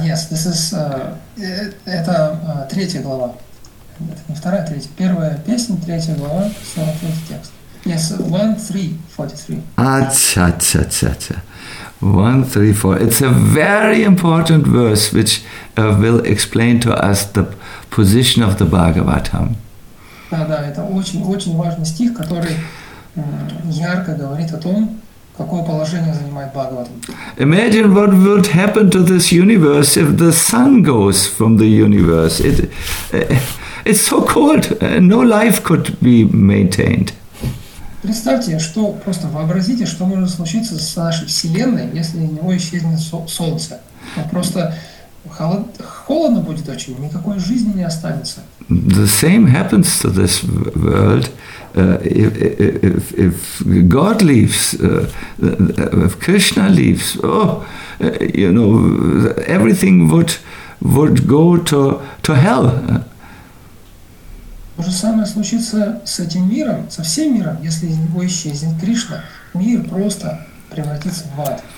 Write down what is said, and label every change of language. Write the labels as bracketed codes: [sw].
[en] Ah, yes, this is [ru] это третья глава. Это не вторая, третья. Первая песня, третья глава, снова третий текст. [en] Yes, 1343. Acha, acha, acha. 1, 3, 4. It's a very important verse which will explain to us the position of the Bhagavatam. [ru] Да, это очень важный стих, который ярко говорит о том, какое положение занимает Бхагаватам. [en] Imagine what would happen to this universe if the sun goes from the universe. It's so cold, no life could be maintained. [ru] Представьте, что просто вообразите, что может случиться с нашей Вселенной, если у него исчезнет Солнце. Просто холодно будет очень, никакой жизни не останется. [en] The same happens to this world if God leaves, if Krishna leaves. Oh, you know, everything would go to hell. [ru] То же самое случится с этим миром, со всем миром, если из него исчезнет Кришна. Мир просто превратится в ад.